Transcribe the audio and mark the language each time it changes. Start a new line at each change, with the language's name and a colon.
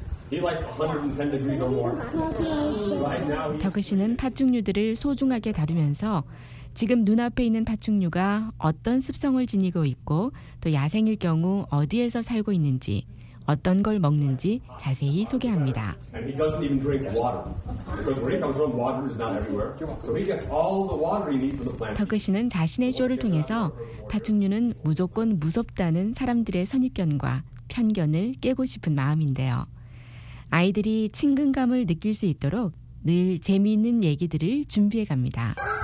English: He likes 110 degrees or more. Right now,
Korean: 터크 씨는 파충류들을 소중하게 다루면서 지금 눈앞에 있는 파충류가 어떤 습성을 지니고 있고 또 야생일 경우 어디에서 살고 있는지 어떤 걸 먹는지 자세히 소개합니다.
English: And he doesn't even drink water. Because where he comes from, water is not everywhere. So he gets all the water he needs from the plants.
Korean: 터크시는 자신의 쇼를 통해서 파충류는 무조건 무섭다는 사람들의 선입견과 편견을 깨고 싶은 마음인데요. 아이들이 친근감을 느낄 수 있도록 늘 재미있는 얘기들을 준비해 갑니다.